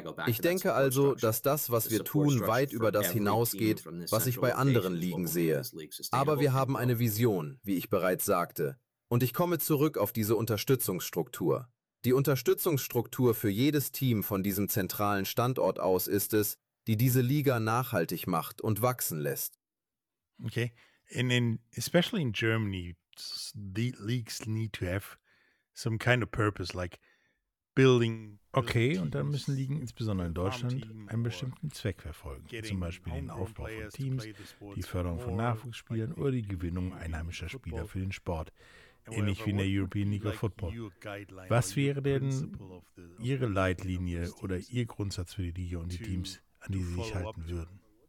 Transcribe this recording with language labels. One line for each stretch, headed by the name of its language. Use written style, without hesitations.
German: Ich denke also, dass das, was wir tun, weit über das hinausgeht, was ich bei anderen Ligen sehe. Aber wir haben eine Vision, wie ich bereits sagte. Und ich komme zurück auf diese Unterstützungsstruktur. Die Unterstützungsstruktur für jedes Team von diesem zentralen Standort aus ist es, die diese Liga nachhaltig macht und wachsen lässt. Okay.
English: And then, especially in Germany, the leagues need to have some kind of purpose, like building.
German: Okay, und dann müssen Ligen insbesondere in Deutschland einen bestimmten Zweck verfolgen, zum Beispiel den Aufbau von Teams, die Förderung von Nachwuchsspielern oder die Gewinnung einheimischer Spieler für den Sport, ähnlich wie in der European League of Football. Was wäre denn Ihre Leitlinie oder Ihr Grundsatz für die Liga und die Teams, an die Sie sich halten würden?